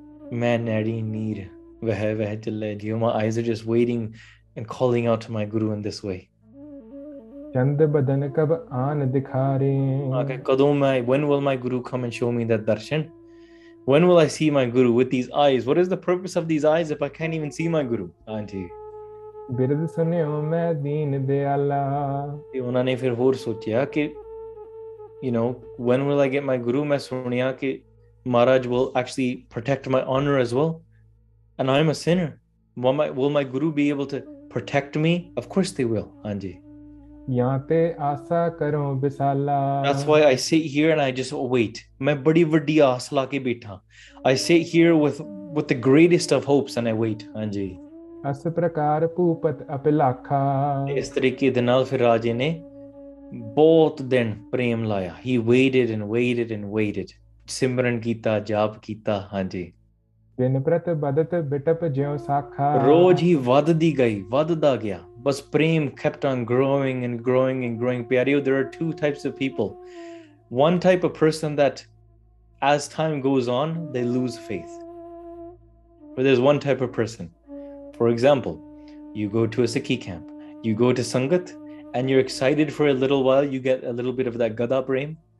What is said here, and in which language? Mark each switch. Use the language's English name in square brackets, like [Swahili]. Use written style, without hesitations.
[Punjabi] Main nadi neer veh veh chale jiyo. [English] My eyes are just waiting and calling out to my guru in this way. [Punjabi] Chand badan kab aan dikhare. [English] Okay, [Punjabi] kadon mai, [English] when will my guru come and show me that darshan? When will I see my guru with these eyes? What is the purpose of these eyes if I can't even see my guru? Auntie. [Punjabi] ਬਿਰਦ ਸੁਣਿਓ ਮੈਂ ਦੀਨ ਦਿਆਲਾ ਤੇ ਉਹਨਾਂ ਨੇ ਫਿਰ ਹੋਰ ਸੋਚਿਆ ਕਿ [English] you know when will I get my guru [Punjabi] ਮੈਂ ਸੁਣਿਆ ਕਿ ਮਹਾਰਾਜ [English] will actually protect my honour as well and I am a sinner will my guru be able to protect me of course they will [Punjabi] ਹਾਂਜੀ ਯਾਂ ਤੇ ਆਸਾ ਕਰੋ ਵਿਸਾਲਾ [English] that's why I sit here and I just wait [Punjabi] ਮੈਂ ਬੜੀ ਵੱਡੀ ਆਸ ਲਾ ਕੇ ਬੈਠਾ [English] I sit here with the greatest of hopes and I wait [Punjabi] ਹਾਂਜੀ ਇਸ ਪ੍ਰਕਾਰ ਭੂਪਤ ਅਪਿਲਾਖਾ ਇਸ ਤਰੀਕੇ ਦੇ ਨਾਲ ਫਿਰ ਰਾਜੇ ਨੇ ਬਹੁਤ ਦਿਨ ਪ੍ਰੇਮ ਲਾਇਆ [English] he waited and waited and waited [Punjabi] ਸਿਮਰਨ ਕੀਤਾ ਜਾਪ ਕੀਤਾ ਹਾਂਜੀ ਦਿਨ ਪ੍ਰਤ ਬਦਤ ਬਿਟਪ ਜਿਉ ਸਾਖਾ ਰੋਜ਼ ਹੀ ਵੱਧਦੀ ਗਈ ਵੱਧਦਾ ਗਿਆ ਬਸ ਪ੍ਰੇਮ [English] kept on growing and growing and growing [Punjabi] ਪਿਆਰੀਓ [English] there are two types of people one type of person that as time goes on they lose faith but there is one type of person For example, you go to a Sikhi camp, you go to Sangat, and you're excited for a little while, you get a little bit of that gada prem,